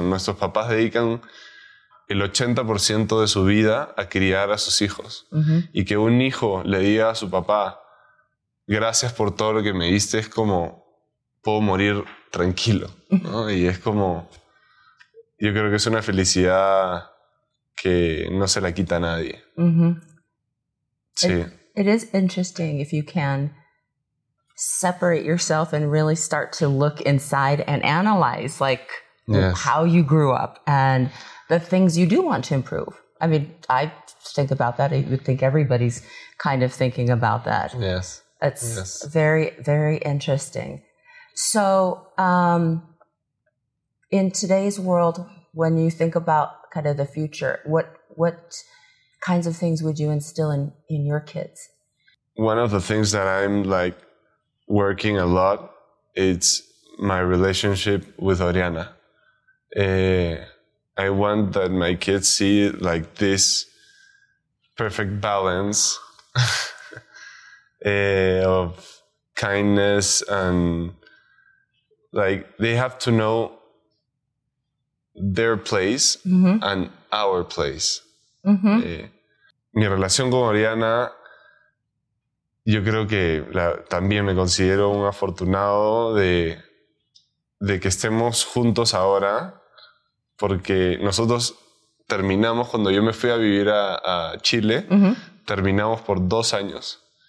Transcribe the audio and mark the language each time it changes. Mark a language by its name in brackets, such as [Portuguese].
[Spanish] Nuestros papás dedican el 80% de su vida a criar a sus hijos. Uh-huh. Y que un hijo le diga a su papá, gracias por todo lo que me diste, es como, puedo morir tranquilo, ¿no? Y es como, yo creo que es una felicidad que no se la quita a nadie. Uh-huh. Sí. [English] It is interesting if you can separate yourself and really start to look inside and analyze, like, yes, how you grew up and the things you do want to improve. I mean, I think about that. I would think everybody's kind of thinking about that. Yes. It's yes. Very, very interesting. So in today's world, when you think about kind of the future, what kinds of things would you instill in your kids? One of the things that I'm like working a lot, it's my relationship with Oriana. I want that my kids see like this perfect balance of kindness, and like they have to know their place and our place. [Spanish] Mi relación con Oriana, yo creo que también me considero un afortunado de que estemos juntos ahora, porque nosotros terminamos, cuando yo me fui a vivir a Chile, terminamos por 2 años.